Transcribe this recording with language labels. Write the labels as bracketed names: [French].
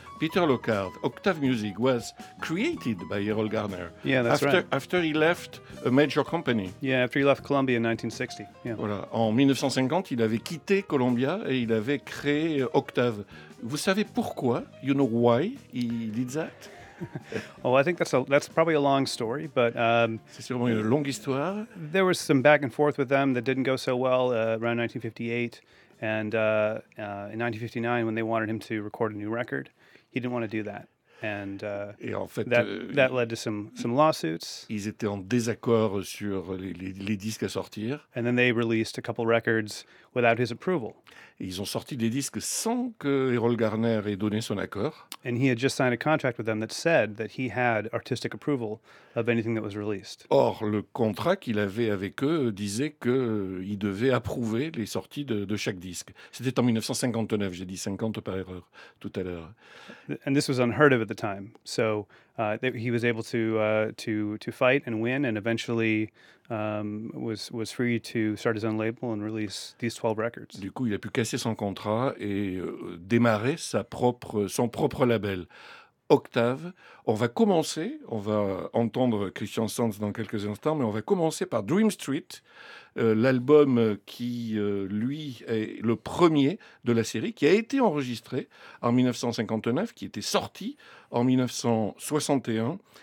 [English] Peter Lockhart, Octave Music was created by Errol Garner. Yeah, that's after, right. After he left a major company. Yeah, after he left Columbia in 1960. Yeah. [French] Voilà. En 1950, il avait quitté Columbia et il avait créé Octave. Vous savez pourquoi? [English] You know why he did that? Well, I think that's probably a long story, but [French] c'est sûrement une longue histoire. [English] There was some back and forth with them that didn't go so well around 1958, and in 1959, when they wanted him to record a new record, he didn't want to do that, and that led to some lawsuits. [French] Ils étaient en désaccord sur les disques à sortir. [English] And then they released a couple records without his approval. [French] Et ils ont sorti des disques sans que Errol Garner ait donné son accord. [English] And he had just signed a contract with them that said that he had artistic approval of anything that was released. [French] Or, le contrat qu'il avait avec eux disait qu'il devait approuver les sorties de chaque disque. C'était en 1959, j'ai dit 50 par erreur tout à l'heure. [English] And this was unheard of at the time. So, he was able to fight and win and eventually was free to start his own label and release these 12 records. [French] Du coup, il a pu casser son contrat et démarrer son propre label, Octave. On va entendre Christian Sands dans quelques instants, mais on va commencer par Dream Street, l'album qui, lui, est le premier de la série, qui a été enregistré en 1959, qui était sorti en 1961.